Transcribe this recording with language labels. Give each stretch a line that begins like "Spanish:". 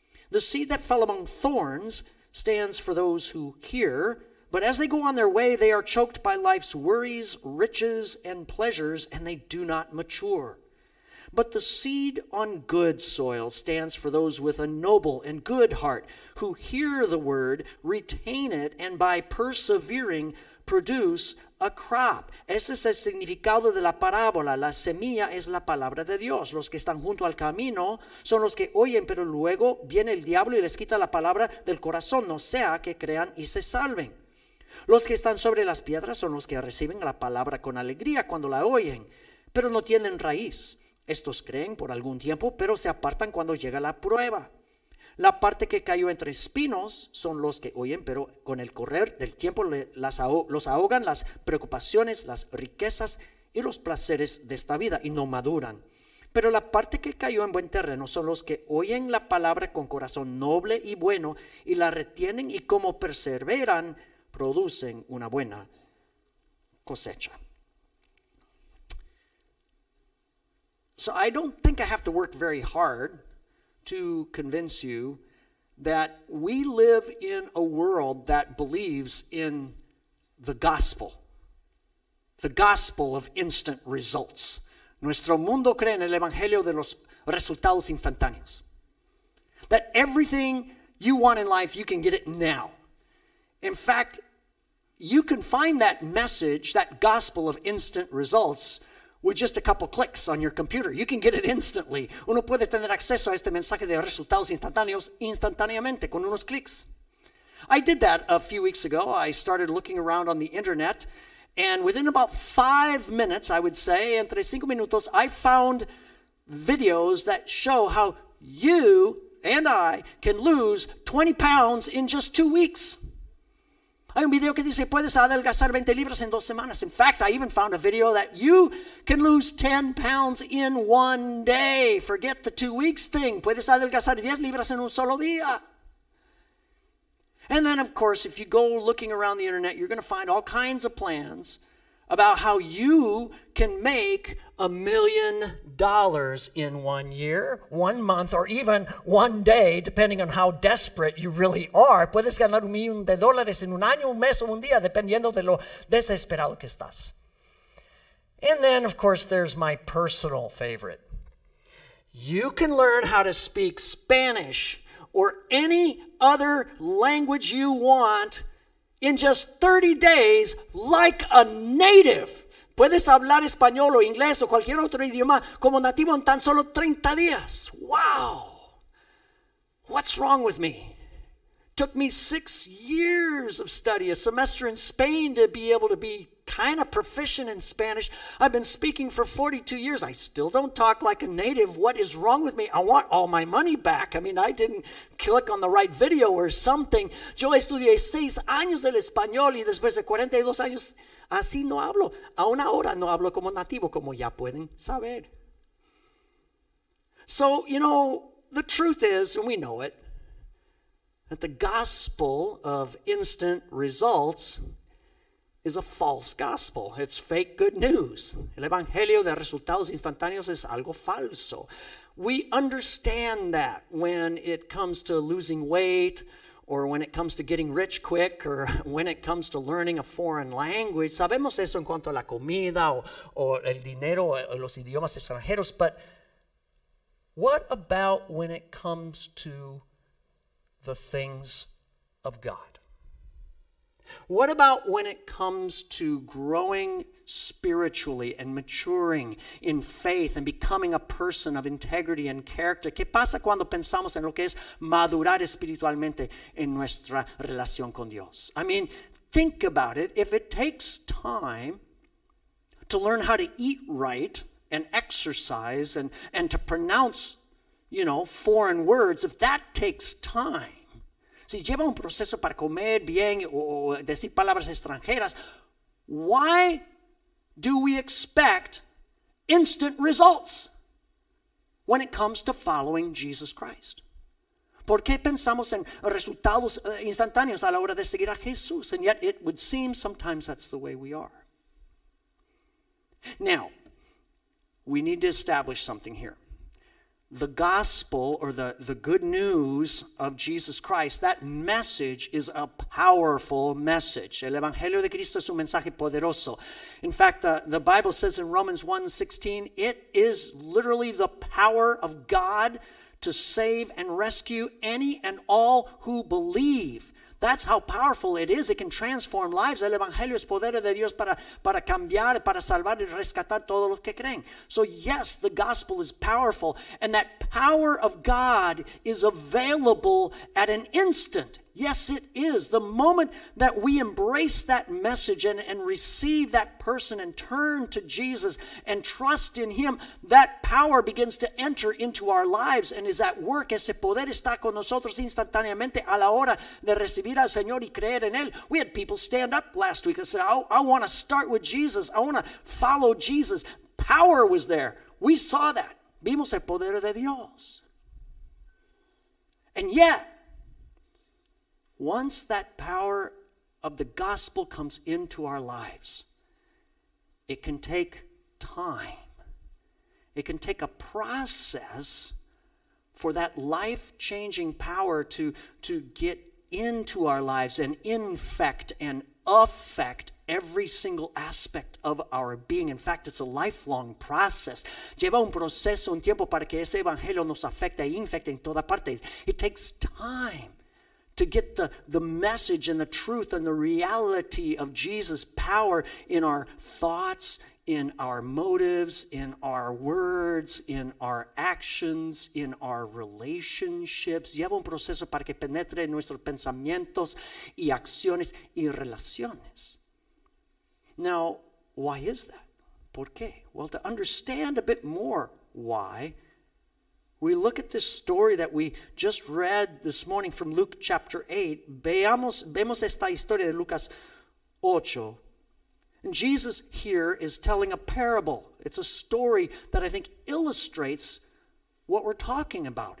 English: The seed that fell among thorns stands for those who hear, but as they go on their way, they are choked by life's worries, riches, and pleasures, and they do not mature. But the seed on good soil stands for those with a noble and good heart who hear the word, retain it, and by persevering produce a crop.
Spanish: Este es el significado de la parábola. La semilla es la palabra de Dios. Los que están junto al camino son los que oyen, pero luego viene el diablo y les quita la palabra del corazón, no sea que crean y se salven. Los que están sobre las piedras son los que reciben la palabra con alegría cuando la oyen, pero no tienen raíz. Estos creen por algún tiempo, pero se apartan cuando llega la prueba. La parte que cayó entre espinos son los que oyen, pero con el correr del tiempo los ahogan las preocupaciones, las riquezas y los placeres de esta vida y no maduran. Pero la parte que cayó en buen terreno son los que oyen la palabra con corazón noble y bueno y la retienen y como perseveran, producen una buena cosecha.
English: So I don't think I have to work very hard to convince you that we live in a world that believes in the gospel of instant results.
Spanish: Nuestro mundo cree en el evangelio de los resultados instantáneos.
English: That everything you want in life, you can get it now. In fact, you can find that message, that gospel of instant results, with just a couple clicks on your computer. You can get it instantly.
Spanish: Uno puede tener acceso a este mensaje de resultados instantáneos instantáneamente con unos clicks.
English: I did that a few weeks ago. I started looking around on the internet, and within about 5 minutes, I would say,
Spanish: entre 5 minutos,
English: I found videos that show how you and I can lose 20 pounds in just 2 weeks.
Spanish: Hay un video que dice, puedes adelgazar 20 libras en 2 semanas.
English: In fact, I even found a video that you can lose 10 pounds in 1 day. Forget the 2 weeks thing.
Spanish: Puedes adelgazar 10 libras en un solo día.
English: And then, of course, if you go looking around the internet, you're going to find all kinds of plans about how you can make $1 million in 1 year, 1 month, or even 1 day, depending on how desperate you really are.
Spanish: Puedes ganar $1 million en un año, un mes, o un día, dependiendo de lo desesperado que estás.
English: And then, of course, there's my personal favorite. You can learn how to speak Spanish or any other language you want in just 30 days, like a native.
Spanish: Puedes hablar español o inglés o cualquier otro idioma como nativo en tan solo 30 días.
English: Wow. What's wrong with me? Took me 6 years of study, a semester in Spain, to be able to be kind of proficient in Spanish. I've been speaking for 42 years. I still don't talk like a native. What is wrong with me? I want all my money back. I mean, I didn't click on the right video or something.
Spanish: Yo estudié 6 años el español y después de 42 años, así no hablo. Aún ahora no hablo como nativo, como ya pueden saber.
English: So, you know, the truth is, and we know it, that the gospel of instant results is a false gospel. It's fake good news.
Spanish: El evangelio de resultados instantáneos es algo falso.
English: We understand that when it comes to losing weight, or when it comes to getting rich quick, or when it comes to learning a foreign language.
Spanish: Sabemos eso en cuanto a la comida, o el dinero, o los idiomas extranjeros.
English: But what about when it comes to the things of God? What about when it comes to growing spiritually and maturing in faith and becoming a person of integrity and character?
Spanish: ¿Qué pasa cuando pensamos en lo que es madurar espiritualmente en nuestra relación con Dios?
English: I mean, think about it. If it takes time to learn how to eat right and exercise and to pronounce, you know, foreign words, if that takes time,
Spanish: si lleva un proceso para comer bien o decir palabras extranjeras,
English: why do we expect instant results when it comes to following Jesus Christ?
Spanish: ¿Por qué pensamos en resultados instantáneos a la hora de seguir a Jesús?
English: And yet it would seem sometimes that's the way we are. Now, we need to establish something here. The gospel, or the good news of Jesus Christ, that message is a powerful message.
Spanish: El Evangelio de Cristo es un mensaje poderoso.
English: In fact, the Bible says in Romans 1:16, it is literally the power of God to save and rescue any and all who believe. That's how powerful it is. It can transform lives.
Spanish: El Evangelio es poder de Dios para cambiar, para salvar y rescatar todos los que creen.
English: So yes, the gospel is powerful. And that power of God is available at an instant. Yes, it is. The moment that we embrace that message and receive that person and turn to Jesus and trust in him, that power begins to enter into our lives and is at work.
Spanish: Ese poder está con nosotros instantáneamente a la hora de recibir al Señor y creer en él.
English: We had people stand up last week and say, I want to start with Jesus. I want to follow Jesus. Power was there. We saw that.
Spanish: Vimos el poder de Dios.
English: And yet, once that power of the gospel comes into our lives, it can take time. It can take a process for that life-changing power to get into our lives and infect and affect every single aspect of our being. In fact, it's a lifelong process.
Spanish: Lleva un proceso, un tiempo para que ese evangelio nos afecte e infecte en toda parte.
English: It takes time to get the message and the truth and the reality of Jesus' power in our thoughts, in our motives, in our words, in our actions, in our relationships.
Spanish: Lleva un proceso para que penetre en nuestros pensamientos y acciones y relaciones.
English: Now, why is that?
Spanish: ¿Por qué?
English: Well, to understand a bit more why, we look at this story that we just read this morning from Luke chapter 8.
Spanish: Vemos esta historia de Lucas 8.
English: And Jesus here is telling a parable. It's a story that I think illustrates what we're talking about.